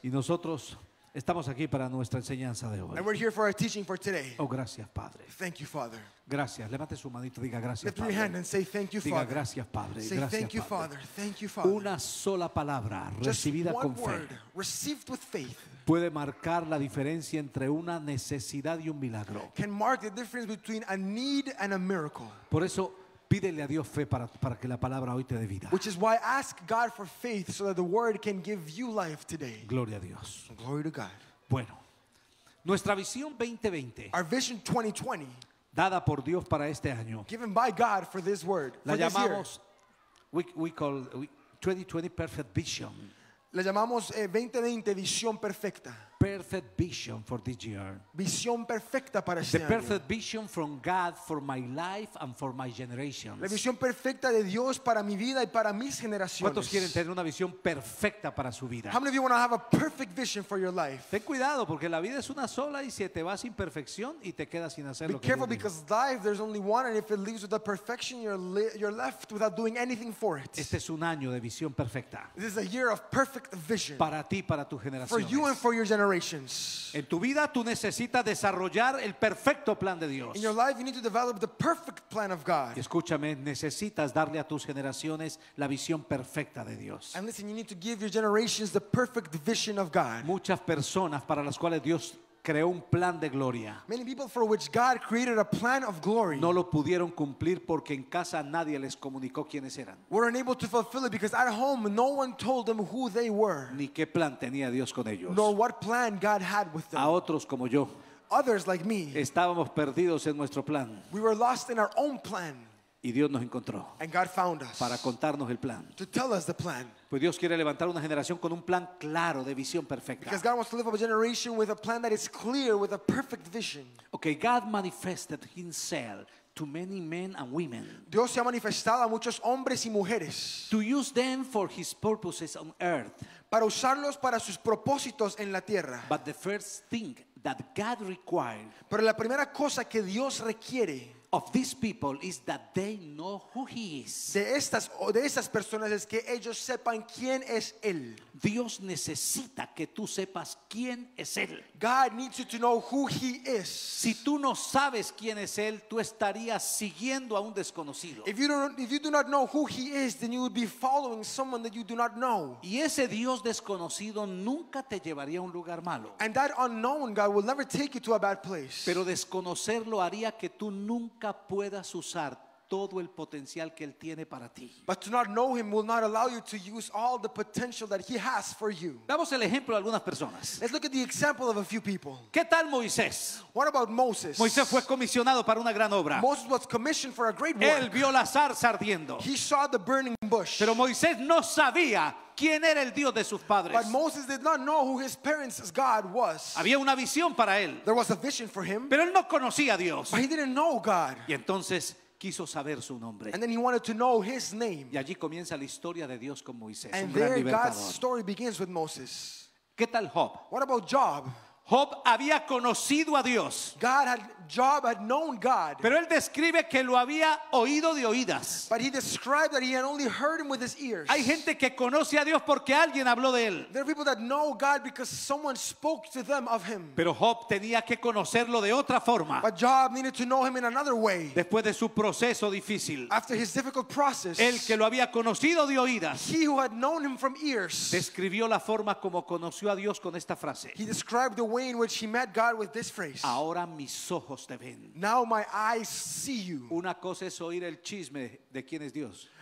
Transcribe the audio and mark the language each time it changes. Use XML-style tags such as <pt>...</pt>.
<es>Y nosotros estamos aquí para nuestra enseñanza de hoy.</es> <en>And we're here for our teaching for today.</en> <es>Oh, gracias, Padre.</es> <en>Thank you, Father.</en> <es>Gracias. Levante su manito, diga gracias, Padre.</es> <en>Lift your hand and say thank you, Father.</en> <es>Diga gracias, Padre.</es> <en>Say</en> <es>gracias,</es> <en>thank you,</en> <es>Padre.</es> <en>Father. Thank you, Father.</en> <es>Una sola palabra recibida</es> <en>just</en> <es>con fe.</es> <en>Just one word received with faith.</en> <es>Puede marcar la diferencia entre una necesidad y un milagro.</es> <en>Can mark the difference between a need and a miracle.</en> <es>Por eso pídele a Dios fe para que la palabra hoy te dé vida.</es> <en>Which is why ask God for faith so that the word can give you life today.</en> <es>Gloria a Dios.</es> <en>Glory to God.</en> <es>Bueno, nuestra visión 2020.</es> <en>Our vision 2020.</en> <es>Dada por Dios para este año.</es> <en>Given by God for this word.</en> <es>La</es> <en>for</en> <es>llamamos</es> <en>this year. We call 2020 perfect vision.</en> <es>La llamamos 2020 visión perfecta.</es> <en>Perfect vision for this year.</en> <es>Visión perfecta para este</es> <en>the</en> <es>año.</es> <en>The perfect vision from God for my life and for my generations.</en> <es>La visión perfecta de Dios para mi vida y para mis generaciones. ¿Cuántos quieren tener una visión perfecta para su vida?</es> <en>How many of you want to have a perfect vision for your life?</en> <es>Ten cuidado porque la vida es una sola y si te vas sin perfección y te quedas sin hacer</es> <en>be</en> <es>lo que</es> <en>be careful because life there's only one and if it leaves without perfection you're left without doing anything for it.</en> <es>Este es un año de visión perfecta.</es> <en>This is a year of perfect vision.</en> <es>Para ti, para tu generación.</es> <en>For you and for your generation.</en> <es>En tu vida tú necesitas desarrollar el perfecto plan de Dios.</es> <en>In your life you need to develop the perfect plan of God.</en> <es>Y escúchame, necesitas darle a tus generaciones la visión perfecta de Dios.</es> <en>And listen, you need to give your generations the perfect vision of God.</en> <es>Muchas personas para las cuales Dios creó un plan de gloria.</es> <en>Many people for which God created a plan of glory.</en> <es>No lo pudieron cumplir porque en casa nadie les comunicó quiénes eran.</es> <en>Were unable to fulfill it because at home no one told them who they were.</en> <es>Ni qué plan tenía Dios con ellos.</es> <en>Nor what plan God had with them.</en> <es>A otros como yo.</es> <en>Others like me.</en> <es>Estábamos perdidos en nuestro plan.</es> <en>We were lost in our own plan.</en> <es>Y Dios nos encontró.</es> <en>And God found us.</en> <es>Para contarnos el plan.</es> <en>To tell us the plan.</en> <es>Pues Dios quiere levantar una generación con un plan claro, de visión perfecta.</es> <en>Because God wants to lift up a generation with a plan that is clear, with a perfect vision. Okay, God manifested himself to many men and women.</en> <es>Dios se ha manifestado a muchos hombres y mujeres.</es> <en>To use them for his purposes on earth.</en> <es>Para usarlos para sus propósitos en la tierra.</es> <en>But the first thing that God required.</en> <es>Pero la primera cosa que Dios requiere.</es> <en>Of these people is that they know who he is.</en> <es>De estas personas es que ellos sepan quién es él. Dios necesita que tú sepas quién es él.</es> <en>God needs you to know who he is.</en> <es>Si tú no sabes quién es él, tú estarías siguiendo a un desconocido.</es> <en>If you do not know who he is, then you would be following someone that you do not know.</en> <es>Y ese Dios desconocido nunca te llevaría a un lugar malo.</es> <en>And that unknown God will never take you to a bad place.</en> <es>Pero desconocerlo haría que tú nunca puedas usar todo el potencial que él tiene para ti.</es> <en>But to not know him will not allow you to use all the potential that he has for you.</en> <es>Damos el ejemplo de algunas personas.</es> <en>Let's look at the example of a few people.</en> <es>¿Qué tal Moisés?</es> <en>What about Moses?</en> <es>Moisés fue comisionado para una gran obra.</es> <en>Moses was commissioned for a great work.</en> <es>Él vio la zarza ardiendo.</es> <en>He saw the burning bush.</en> <es>Pero Moisés no sabía quién era el Dios de sus padres.</es> <en>But Moses did not know who his parents' God was.</en> <es>Había una visión para él.</es> <en>There was a vision for him.</en> <es>Pero él no conocía a Dios.</es> <en>But he didn't know God.</en> <es>Y entonces quiso saber su nombre.</es> <en>And then he wanted to know his name.</en> <es>Y allí comienza la historia de Dios con Moisés,</es> <en>and</en> <es>un gran libertador.</es> <en>God's story begins with Moses.</en> <es>¿Qué tal Job?</es> <en>What about Job?</en> <es>Job había conocido a Dios.</es> <en>Job had known God.</en> <es>Pero él describe que lo había oído de oídas.</es> <en>But he described that he had only heard him with his ears.</en> <es>Hay gente que conoce a Dios porque alguien habló de él.</es> <en>There are people that know God because someone spoke to them of him.</en> <es>Pero Job tenía que conocerlo de otra forma.</es> <en>But Job needed to know him in another way.</en> <es>Después de su proceso difícil.</es> <en>After his difficult process.</en> <es>Él que lo había conocido de oídas.</es> <en>He who had known him from ears.</en> <es>Describió la forma como conoció a Dios con esta frase.</es> <en>He described the way in which he met God with this phrase.</en> <es>Ahora mis ojos te ven.</es> <en>Now my eyes see you.</en> <es>Una cosa es oír el chisme de quién es Dios.</es>